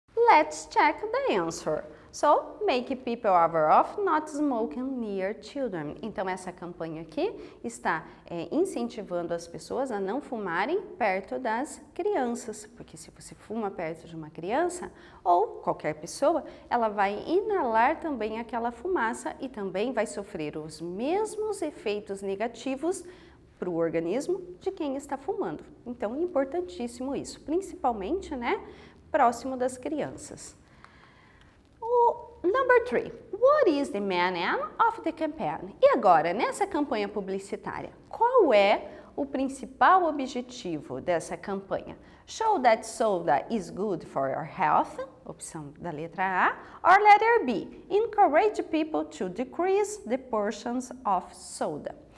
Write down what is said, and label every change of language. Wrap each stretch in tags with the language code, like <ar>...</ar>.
<en>Let's check the answer. So, make people aware of not smoking near children.</en> <pt>Então, essa campanha aqui está incentivando as pessoas a não fumarem perto das crianças. Porque se você fuma perto de uma criança ou qualquer pessoa, ela vai inalar também aquela fumaça e também vai sofrer os mesmos efeitos negativos para o organismo de quem está fumando. Então, importantíssimo isso. Principalmente, né? Próximo das crianças.</pt> <en>Number three, what is the main aim of the campaign?</en> <pt>E agora, nessa campanha publicitária, qual é o principal objetivo dessa campanha?</pt> <en>Show that soda is good for your health,</en> <pt>opção da letra A,</pt> <en>or letter B, encourage people to decrease the portions of soda.</en>